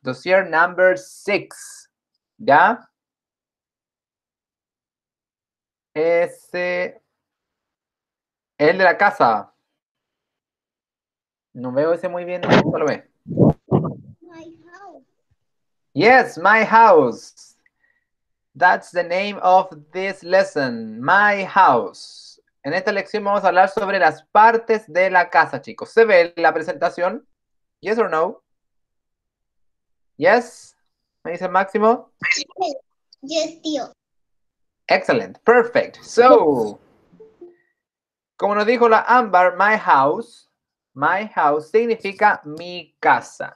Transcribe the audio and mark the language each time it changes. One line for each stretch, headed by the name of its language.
English: Dossier number 6. ¿Ya?
Spanish: Ese. El de la casa. No veo ese muy bien, no lo ve.
English: Yes, my house. That's the name of this lesson. My house.
Spanish: En esta lección vamos a hablar sobre las partes de la casa, chicos. ¿Se ve la presentación?
English: Yes or no? Yes,
Spanish: me dice Máximo.
English: Yes, tío. Excellent, perfect.
Spanish: So, como nos dijo la Amber, my house significa mi casa.